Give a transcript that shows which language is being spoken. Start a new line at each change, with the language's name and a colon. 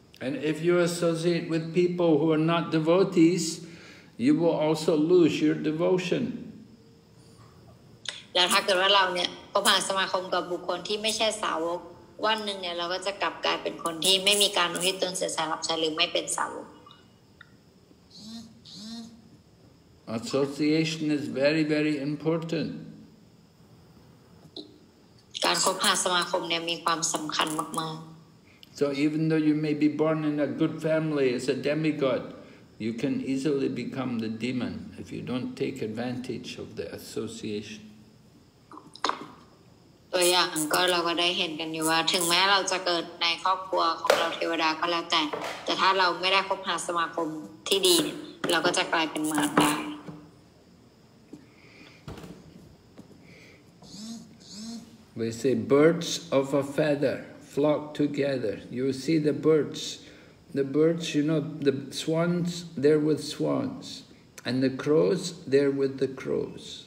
English: And if you associate with people who are not devotees you will also lose your devotion
Thai: แล้วถ้าเกิดว่าเราเนี่ยพบหาสมาคมกับบุคคลที่ไม่ใช่สาวกวันนึงเนี่ยเราก็จะกลับกลายเป็นคนที่ไม่มีการอุทิศตนเสียสละใช้หรือไม่เป็นสาวก
English: Association is very very important
Thai: การคบหาสมาคมเนี่ยมีความสำคัญมากๆ
English: So even though you may be born in a good family as a demigod, You can easily become the demon if you don't take advantage of the association.
Thai: ตัวอย่างก็เราก็ได้เห็นกันอยู่ว่าถึงแม้เราจะเกิดในครอบครัวของเราเทวดาก็แล้วแต่ถ้าเราไม่ได้คบหาสมาคมที่ดีเราก็จะกลายเป็นมารดา
English: We say birds of a feather flock together. You see the birds. The birds, you know, the swans, they're with swans. And the crows, they're with the crows.